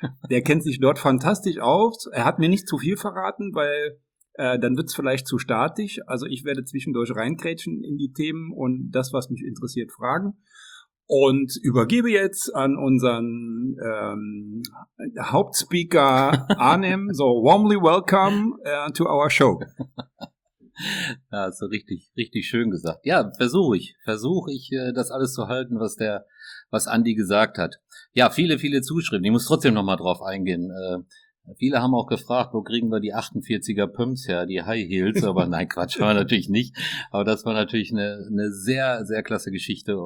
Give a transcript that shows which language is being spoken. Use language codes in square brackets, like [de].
[de] Der kennt sich dort fantastisch aus. Er hat mir nicht zu viel verraten, weil dann wird's vielleicht zu statisch. Also ich werde zwischendurch reingrätschen in die Themen und das, was mich interessiert, fragen. Und übergebe jetzt an unseren Hauptspeaker Arnim. [en] So, warmly welcome to our show. [de] Ja, hast du richtig, richtig schön gesagt. Ja, versuche ich, das alles zu halten, was Andi gesagt hat. Ja, viele, viele Zuschriften. Ich muss trotzdem nochmal drauf eingehen. Viele haben auch gefragt, wo kriegen wir die 48er Pumps her, die High Heels? Aber nein, Quatsch, war natürlich nicht. Aber das war natürlich eine sehr, sehr klasse Geschichte.